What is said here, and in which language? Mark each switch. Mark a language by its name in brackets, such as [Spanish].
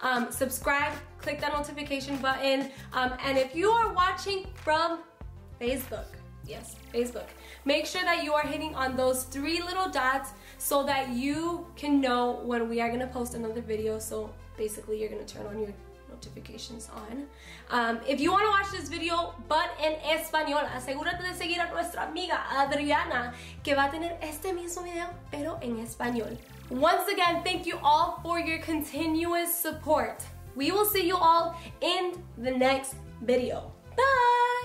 [English] Subscribe, click that notification button, and if you are watching from Facebook, yes, Facebook, make sure that you are hitting on those three little dots so that you can know when we are going to post another video. So basically you're going to turn on your notifications on. If you want to watch this video, but in [Spanish] Español, asegúrate de seguir a nuestra amiga Adriana, que va a tener este mismo video, pero en Español. [English] Once again, thank you all for your continuous support. We will see you all in the next video. Bye!